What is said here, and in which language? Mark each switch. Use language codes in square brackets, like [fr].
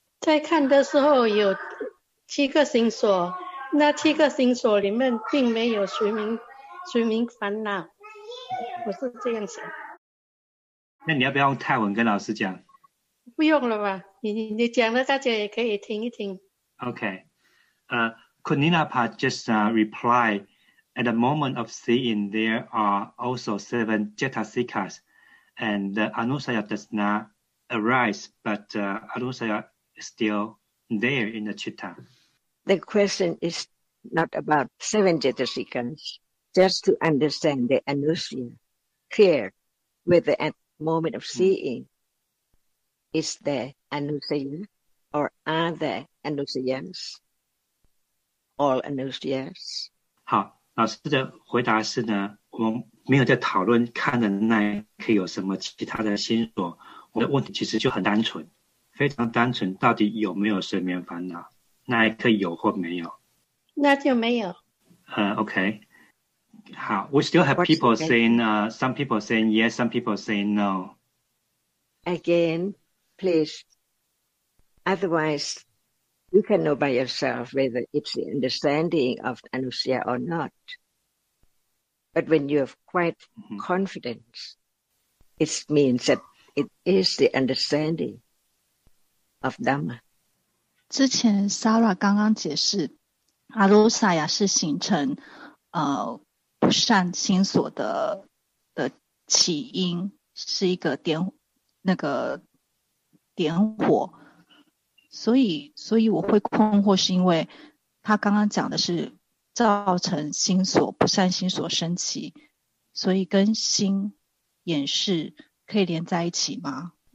[zh] 在看的时候有七个心所，那七个心所里面并没有睡眠烦恼，我是这样想。那你要不要用泰文跟老师讲？不用了吧，你讲了大家也可以听一听。 [en] OK, Kuninapa just replied, at the moment of seeing, there are also seven jetasikas, and the anusaya does not arise, but anusaya is still there in the citta. The question is not about seven jetasikas, just to understand the anusaya clear with the moment of seeing. Is there anusaya or are there anusayas? All anusayas? [zh] 好，老师的回答是呢，我们没有在讨论看的那一刻有什么其他的心所。我的问题其实就很单纯，非常单纯，到底有没有睡眠烦恼？那一刻有或没有？那就没有。 [en] OK. 好 ，We still have people saying, some people saying yes, some people saying no. Again. Please, otherwise, you can know by yourself whether it's the understanding of anusaya or not. But when you have quite confidence, it means that it is the understanding of Dhamma. [zh] 之前 Sarah 刚刚解释 ,anusaya 是形成不善心所的起因，是一个点那个点火，所以我会困惑，是因为他刚刚讲的是造成心所不善心所升起，所以跟心眼识可以连在一起吗？